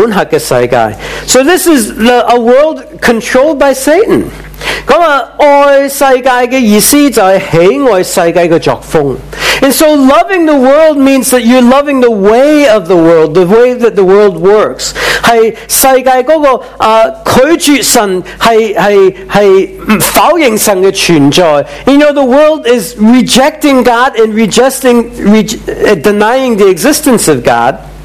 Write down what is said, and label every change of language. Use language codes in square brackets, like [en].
[en] So this is a world controlled by Satan. [zh] 愛世界的意思就是喜愛世界的作風。 [en] And so loving the world means that you're loving the way of the world, the way that the world works. [zh] 是世界那個拒絕神，是否認神的存在。 [en] You know, the world is rejecting God and denying the existence of God.